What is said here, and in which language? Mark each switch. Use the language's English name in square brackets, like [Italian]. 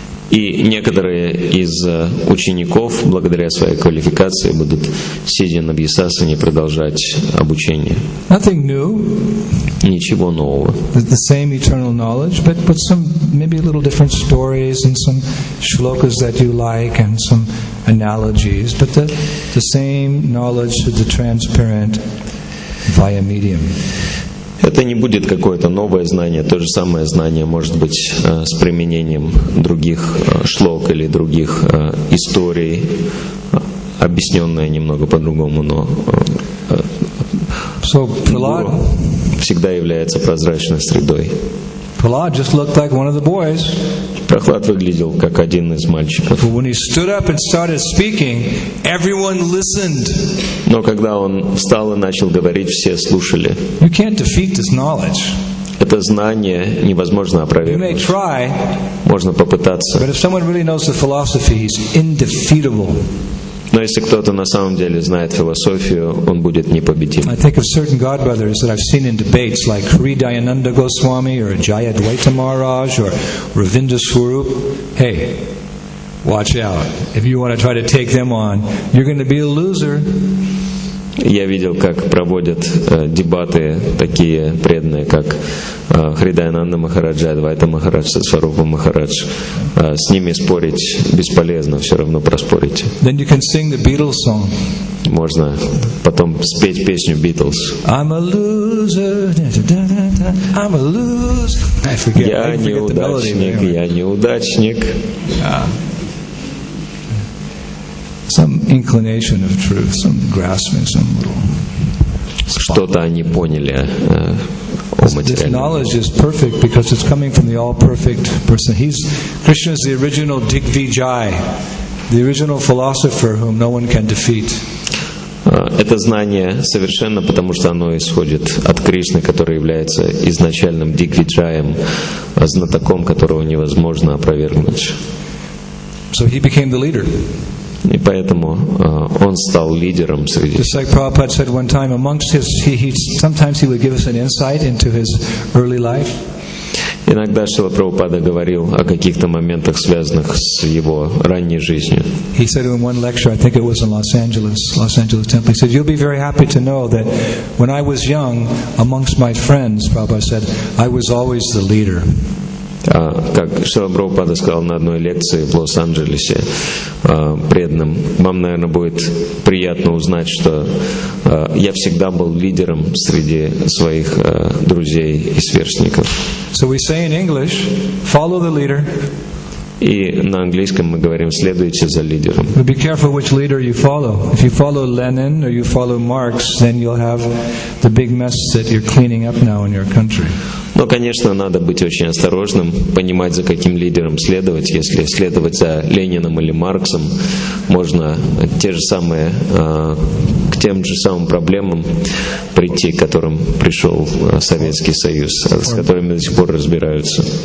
[Russian] И некоторые из учеников, благодаря своей квалификации, будут сидя на Вьясасане продолжать обучение. [English] Nothing new. [Russian] Ничего нового. [English] The same eternal knowledge, but some maybe a little different stories and some shlokas that you like and some analogies, but the same knowledge through the transparent via medium. [Russian] Это не будет какое-то новое знание, то же самое знание может быть с применением других шлок или других историй, объясненное немного по-другому, но [English] Prahlad [Russian] всегда является прозрачной средой. [English] Prahlad just looked like one of the boys. [Russian] Прохлад выглядел как один из мальчиков. [English] But when he stood up and started speaking, everyone listened. [Russian] Но когда он встал и начал говорить, все слушали. [English] You can't defeat this knowledge. [Russian] Это знание невозможно опровергнуть. [English] You may try. [Russian] Можно попытаться. [English] But if someone really knows the philosophy, he's indefeatable. [Russian] Но если кто-то на самом деле знает философию, он будет непобедим. [English] I think of certain god brothers that I've seen in debates, like Hari Dayananda Goswami or Jayadvaita Maharaj or Ravindra Swarup. Hey, watch out! If you want to try to take them on, you're going to be a loser. [Russian] Я видел, как проводят дебаты такие преданные, как Хридаянанда Махарадж, Адвайта Махарадж, Сварупа Махарадж. С ними спорить бесполезно, все равно проспорите. [English] Then you can sing the Beatles song. [Russian] Можно потом спеть песню Beatles. [English] I'm a loser. I'm a loser. [Russian] Я неудачник. [English] Some inclination of truth, some grasping, some little. [Russian] Что-то они поняли о материальном. [English] This knowledge is perfect because it's coming from the all-perfect person. Krishna is the original Digvijaya, the original philosopher whom no one can defeat. [Russian] Это знание совершенно, потому что оно исходит от Кришны, который является изначальным Дигвиджаем, знатоком, которого невозможно опровергнуть. [English] So he became the leader. [Russian] И поэтому он стал лидером среди. [English] Just like Prabhupada said one time, amongst his, sometimes he would give us an insight into his early life. [Russian] Иногда Шрила Прабхупада говорил о каких-то моментах, связанных с его ранней жизнью. [English] He said in one lecture, I think it was in Los Angeles Temple. He said, "You'll be very happy to know that when I was young, amongst my friends," Prabhupada said, "I was always the leader." [Russian] Как Шрила Прабхупада сказал на одной лекции в Лос-Анджелесе преданным, вам, наверное, будет приятно узнать, что я всегда был лидером среди своих друзей и сверстников. [English] So we say in English, follow the leader. [Russian] И на английском мы говорим, следуйте за лидером. [English] But be careful which leader you follow. If you follow Lenin or you follow Marx, then you'll have the big mess that you're cleaning up now in your country. [Russian] Но, конечно, надо быть очень осторожным, понимать, за каким лидером следовать. Если следовать за Лениным или Марксом, можно к тем же самым проблемам прийти, к которым пришел Советский Союз, с которыми до сих пор разбираются.